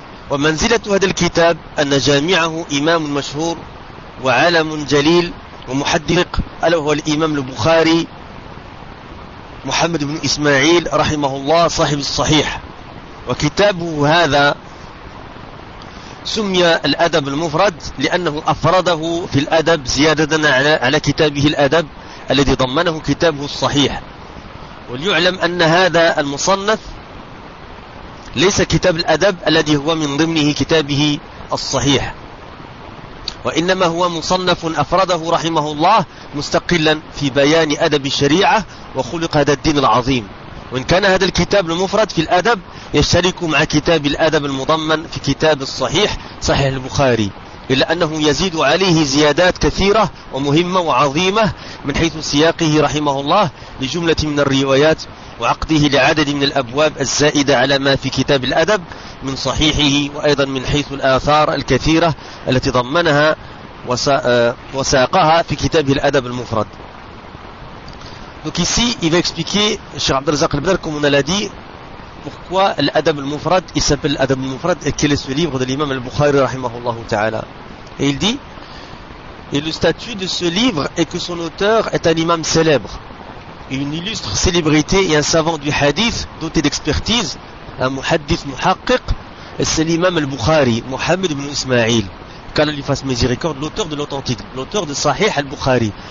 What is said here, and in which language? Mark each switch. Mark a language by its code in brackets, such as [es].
[ar] Wa manzilatu hadha al-kitab anna jami'ahu imam mashhur wa 'alam jalil wa muhaddiq ala huwa al-imam al-Bukhari Muhammad ibn Ismail rahimahullah sahib as-sahih wa kitabu hadha سمي الأدب المفرد لأنه أفرده في الأدب زيادة على كتابه الأدب الذي ضمنه كتابه الصحيح. وليعلم أن هذا المصنف ليس كتاب الأدب الذي هو من ضمنه كتابه الصحيح, وإنما هو مصنف أفرده رحمه الله مستقلا في بيان أدب الشريعة وخلق هذا الدين العظيم. وإن كان هذا الكتاب المفرد في الأدب يشترك مع كتاب الأدب المضمن في كتاب الصحيح صحيح البخاري, إلا أنه يزيد عليه زيادات كثيرة ومهمة وعظيمة من حيث سياقه رحمه الله لجملة من الروايات وعقده لعدد من الأبواب الزائدة على ما في كتاب الأدب من صحيحه, وأيضا من حيث الآثار الكثيرة التي ضمنها وساقها في كتاب الأدب المفرد. [fr] Donc ici, il va expliquer, Cheikh Abd al-Razzaq al-Badr, comme on l'a dit, pourquoi l'Adab al-Mufrad, il s'appelle l'Adab al-Mufrad, et quel est ce livre de l'imam al-Bukhari, rahimahullah ta'ala. Et il dit, et le statut de ce livre est que son auteur est un imam célèbre, une illustre célébrité et un savant du hadith doté d'expertise, un muhaddith muhaqqiq, et c'est l'imam al-Bukhari, Mohammed ibn Ismail, qu'Allah lui fasse miséricorde, l'auteur de l'authentique, l'auteur de Sahih al-Bukhari.